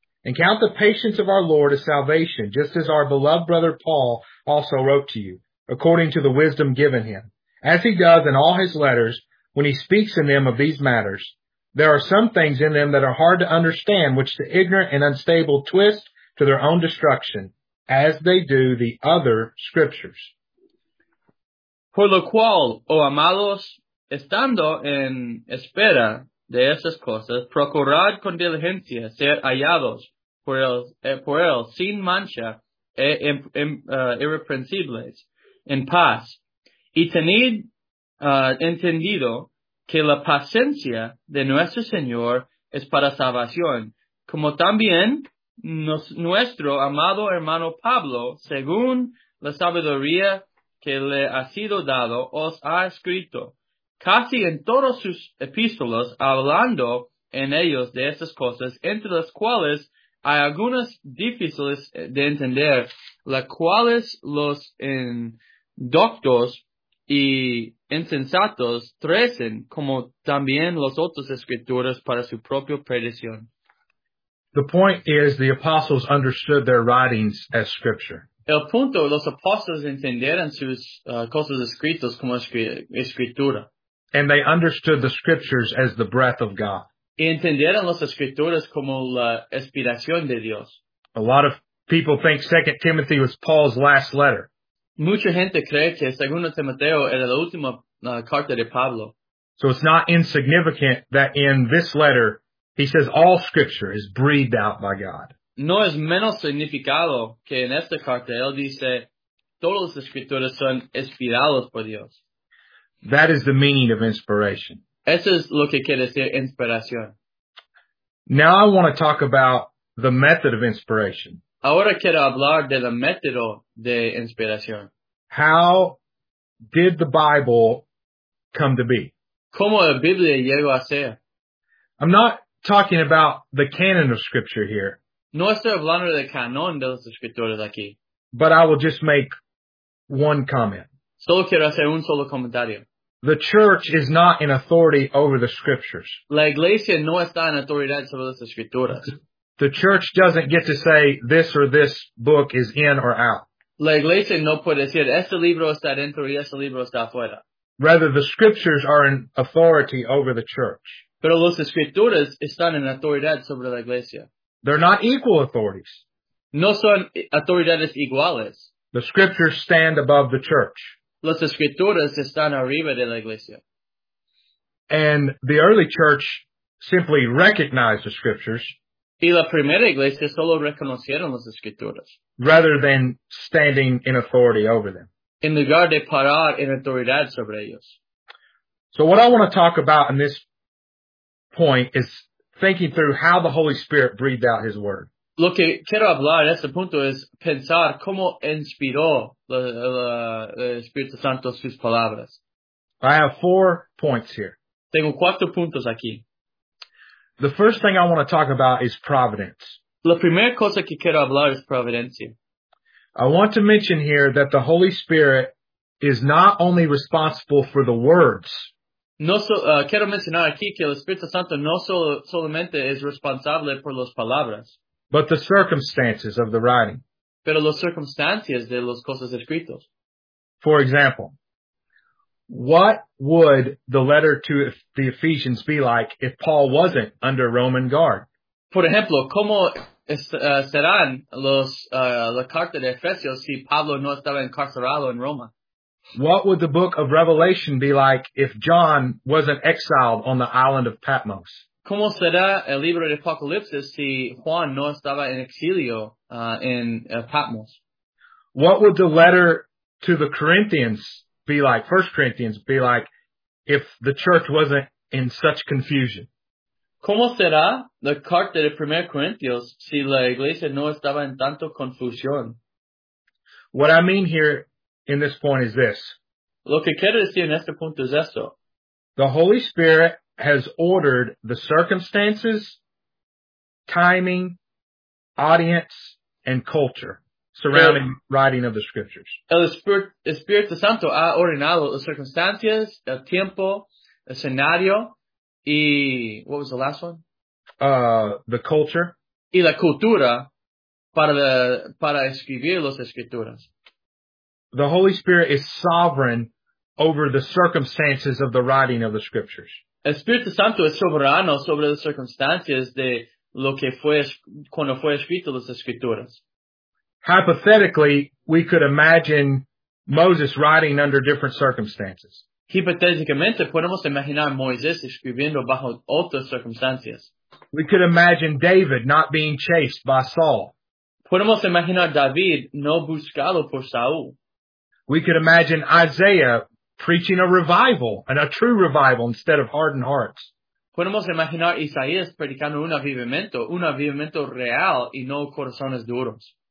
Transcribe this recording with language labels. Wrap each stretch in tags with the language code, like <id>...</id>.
<en>And count the patience of our Lord as salvation, just as our beloved brother Paul also wrote to you, according to the wisdom given him. As he does in all his letters, when he speaks in them of these matters, there are some things in them that are hard to understand, which the ignorant and unstable twist to their own destruction, as they do the other scriptures.</en> <es>Por lo cual, oh amados, estando en espera de esas cosas, procurad con diligencia ser hallados por él sin mancha e irreprensibles, en paz. Y tened entendido que la paciencia de nuestro Señor es para salvación, como también nuestro amado hermano Pablo, según la sabiduría que le ha sido dado, os ha escrito casi en todos sus epístolas, hablando en ellos de estas cosas, entre las cuales hay algunas difíciles de entender, las cuales los indoctos y insensatos traen, como también las otras escrituras para su propia perdición.</es> <en>The point is, the apostles understood their writings as scripture.</en> <es>El punto, los apóstoles entendieron sus cosas escritas como escritura.</es> <en>And they understood the scriptures as the breath of God.</en> <es>Y entendieron las escrituras como la inspiración de Dios.</es> <en>A lot of people think 2 Timothy was Paul's last letter.</en> <es>Mucha gente cree que 2 Timoteo era la última carta de Pablo.</es> <en>So it's not insignificant that in this letter, he says all scripture is breathed out by God.</en> <es>No es menos significado que en esta carta él dice todas las escrituras son inspiradas por Dios.</es> <en>That is the meaning of inspiration.</en> <es>Eso es lo que quiere decir inspiración.</es> <en>Now I want to talk about the method of inspiration.</en> <es>Ahora quiero hablar del método de inspiración.</es> <en>How did the Bible come to be?</en> <es>¿Cómo la Biblia llegó a ser?</es> <en>I'm not talking about the canon of Scripture here.</en> <es>No estoy hablando del canon de las escrituras aquí.</es> <en>But I will just make one comment.</en> <es>Solo quiero hacer un solo comentario.</es> <en>The church is not in authority over the scriptures.</en> <es>La iglesia no está en autoridad sobre las escrituras.</es> <en>The church doesn't get to say this or this book is in or out.</en> <es>La iglesia no puede decir este libro está dentro y este libro está fuera.</es> <en>Rather, the scriptures are in authority over the church.</en> <es>Pero las escrituras están en autoridad sobre la iglesia.</es> <en>They're not equal authorities.</en> <es>No son autoridades iguales.</es> <en>The scriptures stand above the church.</en> <es>Las escrituras están arriba de la iglesia.</es> <en>And the early church simply recognized the scriptures.</en> <es>Y la primera iglesia solo reconocieron las escrituras.</es> <en>Rather than standing in authority over them.</en> <es>En lugar de parar en autoridad sobre ellos.</es> <en>So what I want to talk about in this point is thinking through how the Holy Spirit breathed out his word.</en> <es>Lo que quiero hablar en este punto es pensar cómo inspiró el Espíritu Santo sus palabras.</es> <en>I have 4 points here.</en> <es>Tengo 4 puntos aquí.</es> <en>The first thing I want to talk about is providence.</en> <es>La primera cosa que quiero hablar es providencia.</es> <en>I want to mention here that the Holy Spirit is not only responsible for the words.</en> <es>Quiero mencionar aquí que el Espíritu Santo no solamente es responsable por las palabras.</es> <en>But the circumstances of the writing.</en> <es>Pero las circunstancias de las cosas escritas.</es> <en>For example, what would the letter to the Ephesians be like if Paul wasn't under Roman guard?</en> <es>Por ejemplo, ¿cómo serán la carta de Efesios si Pablo no estaba encarcelado en Roma?</es> <en>What would the book of Revelation be like if John wasn't exiled on the island of Patmos?</en> <es>¿Cómo será el libro de Apocalipsis si Juan no estaba en exilio en Patmos?</es> <en>What would the letter to the Corinthians be like, 1 Corinthians, be like if the church wasn't in such confusion?</en> <es>¿Cómo será la carta de 1 Corintios si la iglesia no estaba en tanto confusión?</es> <en>What I mean here in this point is this.</en> <es>Lo que quiero decir en este punto es esto.</es> <en>The Holy Spirit has ordered the circumstances, timing, audience, and culture surrounding writing of the scriptures.</en> <es>El Espíritu Santo ha ordenado las circunstancias, el tiempo, el escenario, y</es> <en>what was the last one? The culture.</en> <es>Y la cultura para escribir las escrituras.</es> <en>The Holy Spirit is sovereign over the circumstances of the writing of the scriptures.</en> <es>El Espíritu Santo es soberano sobre las circunstancias de lo que fue cuando fue escrito las escrituras.</es> <en>Hypothetically, we could imagine Moses writing under different circumstances.</en> <es>Hipotéticamente, podemos imaginar a Moisés escribiendo bajo otras circunstancias.</es> <en>We could imagine David not being chased by Saul.</en> <es>Podemos imaginar David no buscado por Saúl.</es> <en>We could imagine Isaiah preaching a revival, and a true revival, instead of hardened hearts.</en> <es>Podemos imaginar Isaías predicando un avivamiento real y no corazones duros.</es>